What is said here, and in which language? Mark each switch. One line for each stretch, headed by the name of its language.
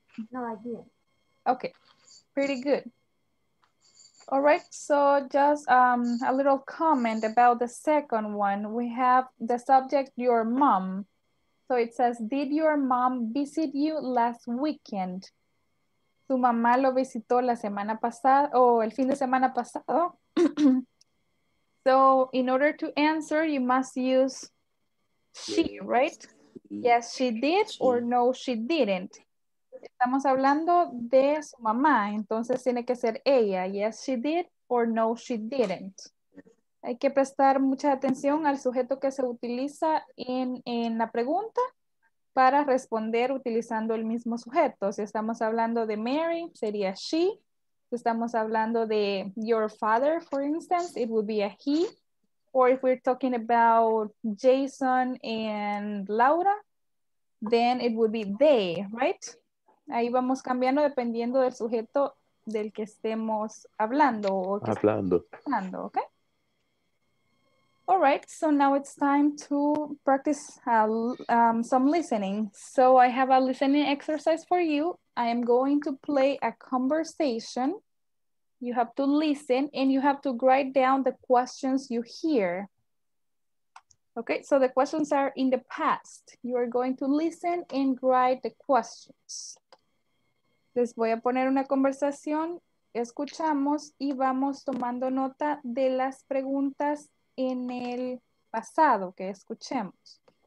English: No, I didn't. Okay, pretty good. All right, so just a little comment about the second one. We have the subject, your mom. So it says, did your mom visit you last weekend?
Spanish: ¿Tu mamá lo visitó la semana pasada o el fin de semana pasado?
English: So in order to answer, you must use she, right? Yes, she did or no, she didn't.
Spanish: Estamos hablando de su mamá, entonces tiene que ser ella. Yes, she did or no, she didn't. Hay que prestar mucha atención al sujeto que se utiliza en la pregunta para responder utilizando el mismo sujeto. Si estamos hablando de Mary, sería she. Si estamos hablando de your father, for instance, it would be a he.
English: Or if we're talking about Jason and Laura, then it would be they, right?
Spanish: Ahí vamos cambiando dependiendo del sujeto del que estemos hablando. O que hablando. Estemos hablando, okay?
English: All right, so now it's time to practice some listening. So I have a listening exercise for you. I am going to play a conversation. You have to listen and you have to write down the questions you hear. Okay, so the questions are in the past. You are going to listen and write the questions.
Spanish: Les voy a poner una conversación. Escuchamos y vamos tomando nota de las preguntas en el pasado que escuchemos.